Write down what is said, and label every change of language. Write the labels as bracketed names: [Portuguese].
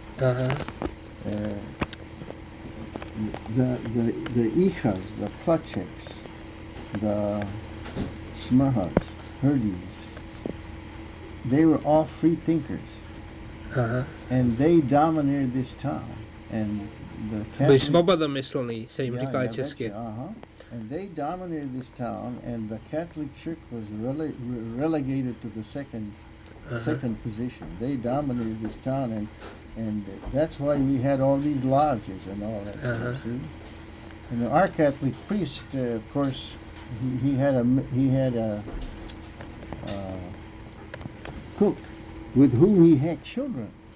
[English] Uh-huh. The Ichas, the Plachiks, the Smahas, Herdis, they were all free thinkers. Uh-huh. And they dominated this town. And the Catholic... [Czech] Svoboda myslný, se jim říkali česky. [English] And they dominated this town, and the Catholic Church was relegated to the second position. They dominated this town, and that's why we had all these lodges and all that stuff, see? And our Catholic priest, of course, He had a cook with whom he had children.